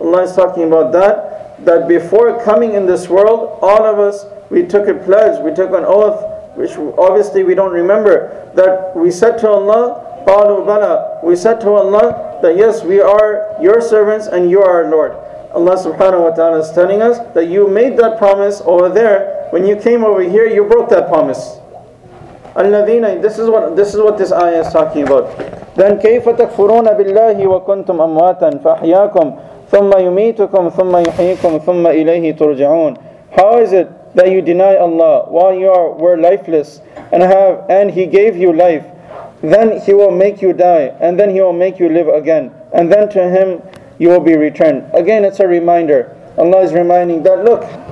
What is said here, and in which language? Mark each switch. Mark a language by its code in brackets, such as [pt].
[en] Allah is talking about that before coming in this world, all of us, we took a pledge, we took an oath, which obviously we don't remember, that we said to Allah, [ar] قَالُوا بَلَىٰ, [en] we said to Allah, that yes, we are your servants and you are our Lord. Allah subhanahu wa ta'ala is telling us that you made that promise over there. When you came over here, you broke that promise. Al-Nadina, this is what this ayah is talking about. [ar] Then كيف تكفرون بالله وكنتم أمواتا فأحياكم ثم يميتكم ثم يحييكم ثم إليه ترجعون. [en] How is it that you deny Allah while you were lifeless and He gave you life? Then He will make you die, and then He will make you live again, and then to Him you will be returned. Again, it's a reminder. Allah is reminding that, look,